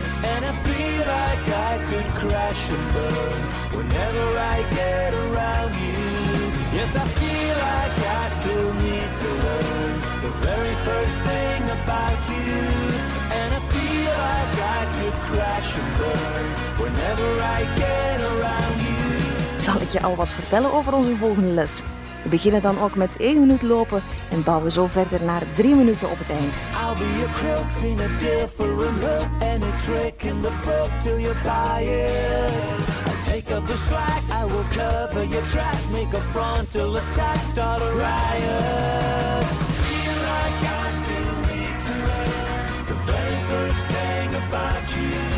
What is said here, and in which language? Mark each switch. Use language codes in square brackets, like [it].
[en] And I feel like I could crash and burn whenever I get around you. Yes, I feel like I still need to learn the very first thing about you. And I feel like I could crash and burn whenever I get around you. [nl] zal ik je al wat vertellen over onze volgende les. We beginnen dan ook met 1 minuut lopen en bouwen zo verder naar 3 minuten op het eind. [en] I'll be a crook, sing a deal for a look, and a trick in the book till you buy it. I'll take up the slack, I will cover your tracks, make a frontal attack, start a riot. Feel like I still need to learn the very first thing about you.